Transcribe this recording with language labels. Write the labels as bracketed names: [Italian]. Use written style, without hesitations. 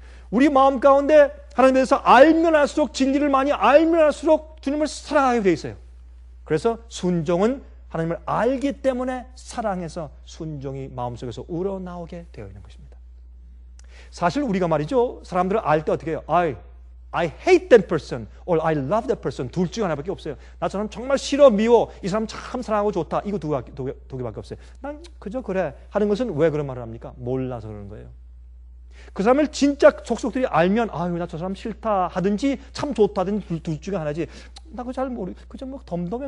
[Korean] 우리 마음 가운데 하나님에 대해서 알면 할수록, 진리를 많이 알면 할수록 주님을 사랑하게 되어 있어요. 그래서 순종은 하나님을 알기 때문에 사랑해서 순종이 마음속에서 우러나오게 되어 있는 것입니다. 사실 우리가 말이죠, 사람들을 알 때 어떻게 해요? [English] I hate that person or I love that person. [Korean] 둘 중 하나밖에 없어요. 나 사람 정말 싫어, 미워. 이 사람 참 사랑하고 좋다. 이거 두 개밖에 없어요. 난 그저 그래 하는 것은 왜 그런 말을 합니까? 몰라서 그러는 거예요. 그 사람을 진짜 속속들이 알면 아유, 나 저 사람 싫다 하든지 참 좋다 하든지 둘 중에 하나지. 나 그거 잘 모르. 그저 뭐 덤덤해.